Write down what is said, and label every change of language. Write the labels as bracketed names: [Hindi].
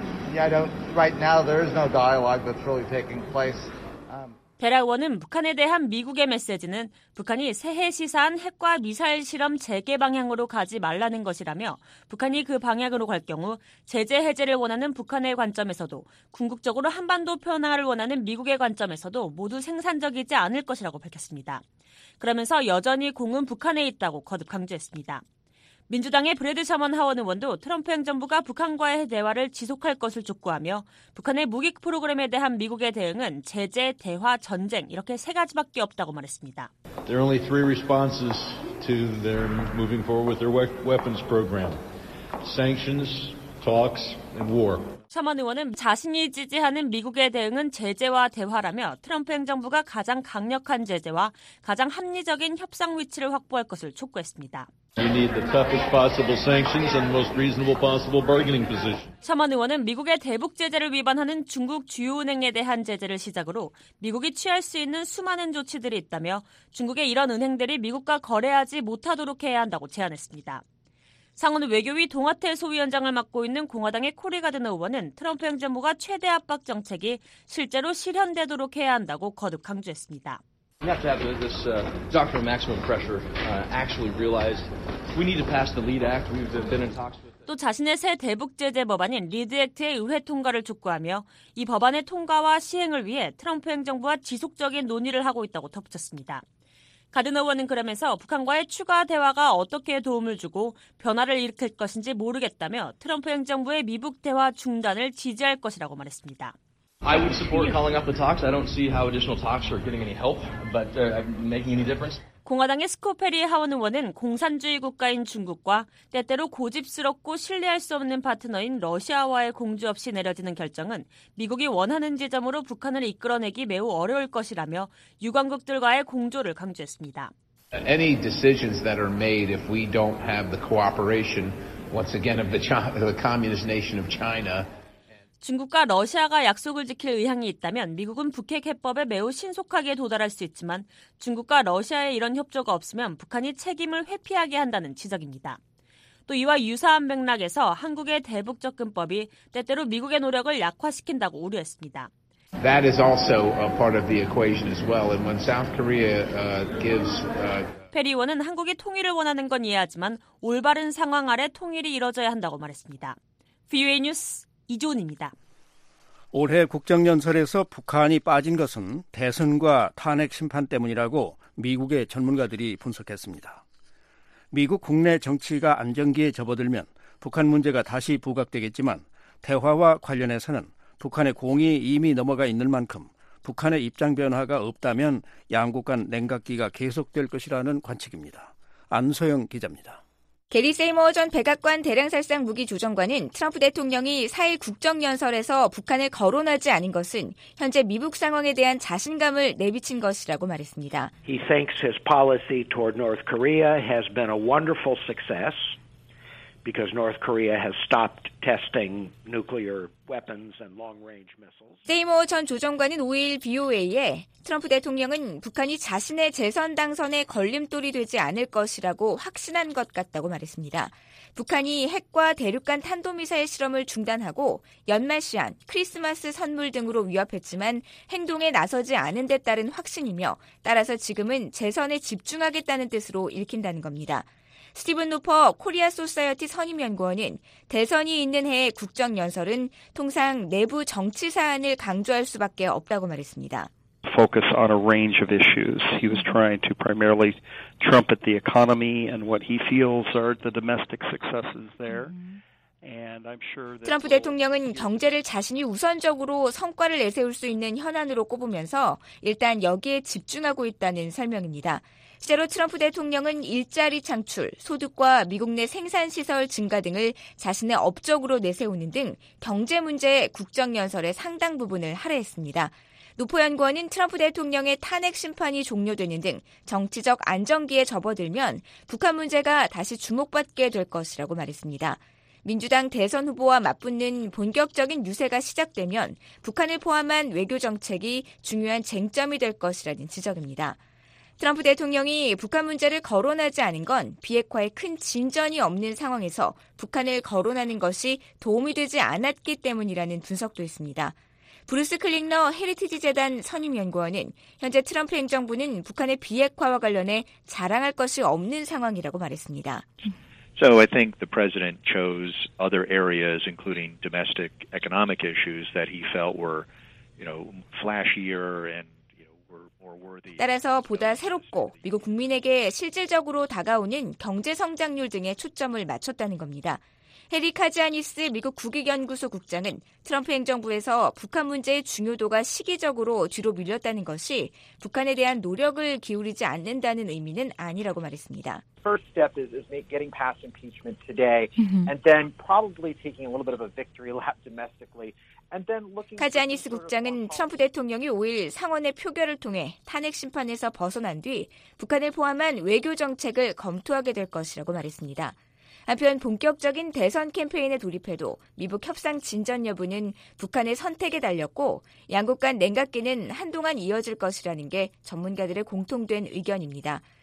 [English] Yeah, I don't. Right now, there is no dialogue that's really taking place. [Korean] 베라 의원은 북한에 대한 미국의 메시지는 북한이 새해 시사한 핵과 미사일 실험 재개 방향으로 가지 말라는 것이라며 북한이 그 방향으로 갈 경우 제재 해제를 원하는 북한의 관점에서도 궁극적으로 한반도 평화를 원하는 미국의 관점에서도 모두 생산적이지 않을 것이라고 밝혔습니다. 그러면서 여전히 공은 북한에 있다고 거듭 강조했습니다. 민주당의 브래드 셔먼 하원 의원도 트럼프 행정부가 북한과의 대화를 지속할 것을 촉구하며 북한의 무기 프로그램에 대한 미국의 대응은 제재, 대화, 전쟁 이렇게 세 가지밖에 없다고 말했습니다. [English] There are only three responses to their moving forward with their weapons program. Sanctions, talks, and war. [Korean] 셔먼 의원은 자신이 지지하는 미국의 대응은 제재와 대화라며 트럼프 행정부가 가장 강력한 제재와 가장 합리적인 협상 위치를 확보할 것을 촉구했습니다. [English] You need the toughest possible sanctions and the most reasonable possible bargaining position. [Korean] 셔먼 의원은 미국의 대북 제재를 위반하는 중국 주요 은행에 대한 제재를 시작으로 미국이 취할 수 있는 수많은 조치들이 있다며 중국의 이런 은행들이 미국과 거래하지 못하도록 해야 한다고 제안했습니다. 상원 외교위 동아태 소위원장을 맡고 있는 공화당의 코리 가드너 의원은 트럼프 행정부가 최대 압박 정책이 실제로 실현되도록 해야 한다고 거듭 강조했습니다. [English] We have to have this doctrine of maximum pressure actually realized. We need to pass the LEAD Act. We've been in talks with. [Korean] 또 자신의 새 대북 제재 법안인 리드 액트의 의회 통과를 촉구하며 이 법안의 통과와 시행을 위해 트럼프 행정부와 지속적인 논의를 하고 있다고 덧붙였습니다. 가든 의원은 그러면서 북한과의 추가 대화가 어떻게 도움을 주고 변화를 일으킬 것인지 모르겠다며 트럼프 행정부의 미북 대화 중단을 지지할 것이라고 말했습니다. [English] I would support calling up the talks. I don't see how additional talks are getting any help, but making any difference. [Korean] 공화당의 스코페리 하원 의원은 공산주의 국가인 중국과 때때로 고집스럽고 신뢰할 수 없는 파트너인 러시아와의 공조 없이 내려지는 결정은 미국이 원하는 지점으로 북한을 이끌어내기 매우 어려울 것이라며 유관국들과의 공조를 강조했습니다. [English] Any decisions that are made if we don't have the cooperation once again of the communist nation of China. [Korean] 중국과 러시아가 약속을 지킬 의향이 있다면 미국은 북핵 해법에 매우 신속하게 도달할 수 있지만 중국과 러시아의 이런 협조가 없으면 북한이 책임을 회피하게 한다는 지적입니다. 또 이와 유사한 맥락에서 한국의 대북 접근법이 때때로 미국의 노력을 약화시킨다고 우려했습니다. [English] That is also a part of the equation as well. And when South Korea gives [Korean] 페리 의원은 한국이 통일을 원하는 건 이해하지만 올바른 상황 아래 통일이 이뤄져야 한다고 말했습니다. VOA 뉴스 이조은입니다. 올해 국정연설에서 북한이 빠진 것은 대선과 탄핵 심판 때문이라고 미국의 전문가들이 분석했습니다. 미국 국내 정치가 안정기에 접어들면 북한 문제가 다시 부각되겠지만 대화와 관련해서는 북한의 공이 이미 넘어가 있는 만큼 북한의 입장 변화가 없다면 양국 간 냉각기가 계속될 것이라는 관측입니다. 안소영 기자입니다. 게리 세이머 전 백악관 대량살상 무기 조정관은 트럼프 대통령이 4일 국정연설에서 북한을 거론하지 않은 것은 현재 미북 상황에 대한 자신감을 내비친 것이라고 말했습니다. [English] He thinks his policy toward North Korea has been a wonderful success because North Korea has stopped testing nuclear weapons and long-range missiles. [Korean] 세이머 전 조정관은 5일 VOA에 트럼프 대통령은 북한이 자신의 재선 당선에 걸림돌이 되지 않을 것이라고 확신한 것 같다고 말했습니다. 북한이 핵과 대륙간 탄도미사일 실험을 중단하고 연말 시한, 크리스마스 선물 등으로 위협했지만 행동에 나서지 않은 데 따른 확신이며 따라서 지금은 재선에 집중하겠다는 뜻으로 읽힌다는 겁니다. 스티븐 노퍼 코리아 소사이어티 선임연구원은 대선이 있는 해의 국정연설은 통상 내부 정치 사안을 강조할 수밖에 없다고 말했습니다. [English] Focus on a range of issues. He was trying to primarily trumpet the economy and what he feels are the domestic successes there. [Korean] 트럼프 대통령은 경제를 자신이 우선적으로 성과를 내세울 수 있는 현안으로 꼽으면서 일단 여기에 집중하고 있다는 설명입니다. 실제로 트럼프 대통령은 일자리 창출, 소득과 미국 내 생산시설 증가 등을 자신의 업적으로 내세우는 등 경제 문제에 국정연설의 상당 부분을 할애했습니다. 노포 연구원은 트럼프 대통령의 탄핵 심판이 종료되는 등 정치적 안정기에 접어들면 북한 문제가 다시 주목받게 될 것이라고 말했습니다. 민주당 대선 후보와 맞붙는 본격적인 유세가 시작되면 북한을 포함한 외교 정책이 중요한 쟁점이 될 것이라는 지적입니다. 트럼프 대통령이 북한 문제를 거론하지 않은 건 비핵화에 큰 진전이 없는 상황에서 북한을 거론하는 것이 도움이 되지 않았기 때문이라는 분석도 있습니다. 브루스 클링너 헤리티지 재단 선임연구원은 현재 트럼프 행정부는 북한의 비핵화와 관련해 자랑할 것이 없는 상황이라고 말했습니다. [English] So I think the president chose other areas, including domestic economic issues, that he felt were, you know, flashier and [Korean] 따라서 보다 새롭고 미국 국민에게 실질적으로 다가오는 경제 성장률 등에 초점을 맞췄다는 겁니다. 해리 카지아니스 미국 국익연구소 국장은 트럼프 행정부에서 북한 문제의 중요도가 시기적으로 뒤로 밀렸다는 것이 북한에 대한 노력을 기울이지 않는다는 의미는 아니라고 말했습니다. [English] First step is getting past impeachment today and then probably taking a little bit of a victory lap domestically. [Korean] 카지아니스 국장은 트럼프 대통령이 5일 상원의 표결을 통해 탄핵 심판에서 벗어난 뒤 북한을 포함한 외교 정책을 검토하게 될 것이라고 말했습니다. 한편 본격적인 대선 캠페인에 돌입해도 미북 협상 진전 여부는 북한의 선택에 달렸고 양국 간 냉각기는 한동안 이어질 것이라는 게 전문가들의 공통된 의견입니다.